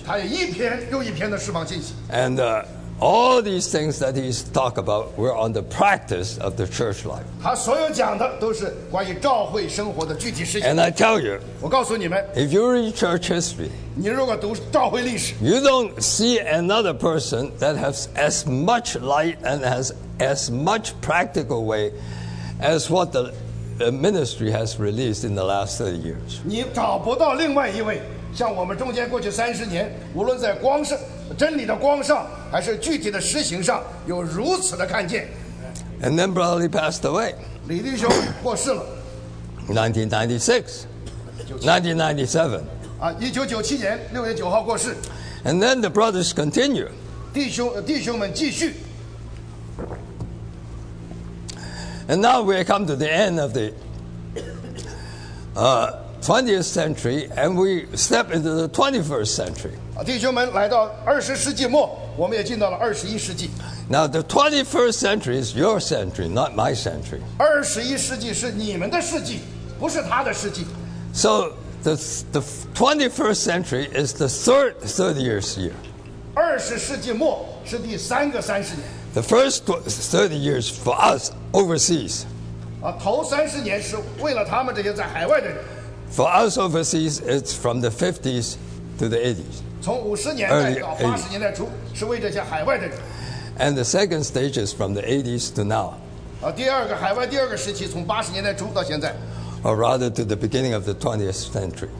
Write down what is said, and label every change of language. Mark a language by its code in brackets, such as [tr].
[zh] 他有一篇又一篇的释放信息。 [en] And all these things that he's talk about were on the practice of the church life. [zh] 他所有讲的都是关于教会生活的具体事情。 [en] And I tell you, [zh] 我告诉你们 [en] if you read church history, [zh] 你如果读教会历史 [en] you don't see another person that has as much light and as much practical way as what the ministry has released in the last 30 years. [zh] 你找不到另外一位像我们中间过去三十年，无论在光上、真理的光上，还是具体的实行上，有如此的看见。 [en] And then Brother Lee passed away. [zh] 李弟兄过世了。 [en] 1997 1997 1997 [zh] 1997年六月九号过世。 [en] And then the brothers continue. [zh] 弟兄们继续。 [en] And now we come to the end of the 20th century, and we step into the 21st century. [zh] 弟兄们来到二十世纪末，我们也进到了二十一世纪。 [en] Now the 21st century is your century, not my century. [zh] 二十一世纪是你们的世纪，不是他的世纪。 [en] So the 21st century is the third 30th year. [zh] 二十世纪末是第三个三十年。 [en] The first 30 years for us overseas. [zh] 头三十年是为了他们这些在海外的人。 [en] For us overseas, it's from the 50s to the 80s. [zh] 从五十年代到八十年代初是为这些海外的人。 [en] And the second stage is from the 80s to now. [zh] 第二个海外第二个时期从八十年代初到现在。 [en] Or rather to the beginning of the 20th century.